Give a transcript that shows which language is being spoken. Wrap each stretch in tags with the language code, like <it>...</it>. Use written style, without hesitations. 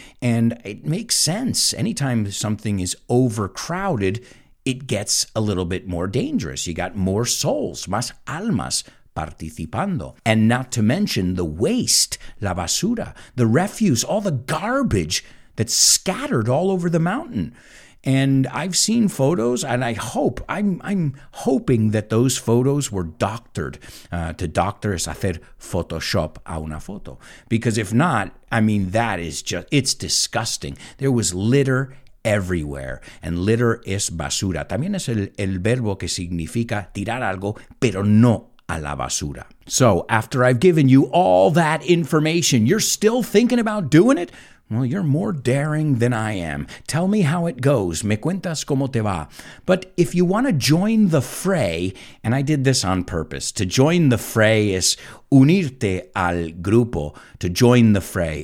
<en>And it makes sense. Anytime something is overcrowded, it gets a little bit more dangerous. You got more souls,</en> <es>más almas participando.</es> <en>And not to mention the waste,</en> <es>la basura,</es> <en>the refuse, all the garbage that's scattered all over the mountain. And I've seen photos, and I hope, I'm hoping that those photos were doctored.</en> <es>To doctor es hacer Photoshop a una foto.</es> <en>Because if not, I mean, that is just, it's disgusting. There was litter everywhere. And litter</en> <es>es basura. También es el verbo que significa tirar algo, pero no a la basura.</es> <en>So, after I've given you all that information, you're still thinking about doing it? Well, you're more daring than I am. Tell me how it goes.</en> <es>Me cuentas cómo te va.</es> <en>But if you want to join the fray, and I did this on purpose, to join the fray is</en> <es>unirte al grupo,</es> <en>to join the fray.</en>